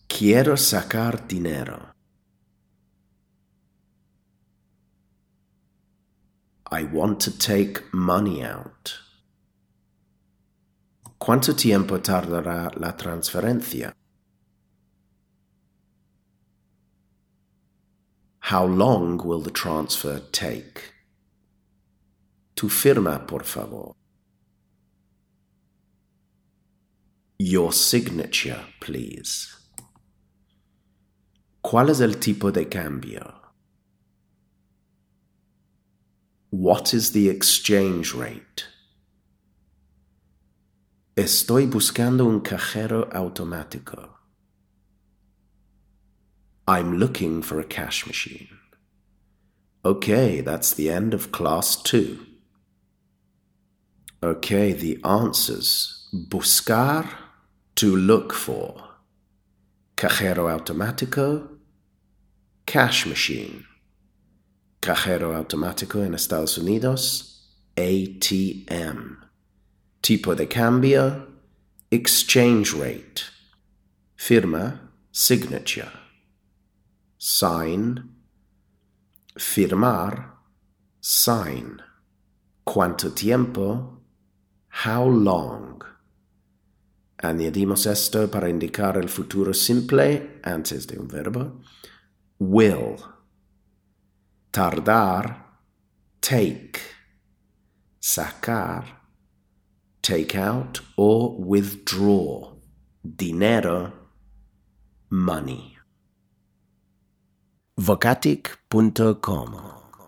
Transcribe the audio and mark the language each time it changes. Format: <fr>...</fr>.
<es>Quiero sacar dinero.</es> <en>I want to take money out.</en> <es>¿Cuánto tiempo tardará la transferencia?</es> <en>How long will the transfer take?</en> <es>Tu firma, por favor.</es> <en>Your signature, please.</en> <es>¿Cuál es el tipo de cambio?</es> <en>What is the exchange rate?</en> <es>Estoy buscando un cajero automático.</es> <en>I'm looking for a cash machine. Okay, that's the end of class 2. Okay, the answers. Buscar, to look for.</en> <es>Cajero automático, cash machine. Cajero automático en Estados Unidos, ATM. Tipo de cambio, exchange rate.</es> <en>Firma, signature. Sign, firmar, sign.</en> <es>¿Cuánto tiempo?</es> <en>How long?</en> <es>Añadimos esto para indicar el futuro simple, antes de un verbo.</es> <en>Will, tardar, take, sacar, take out or withdraw, dinero, money. Vocatic.com.</en>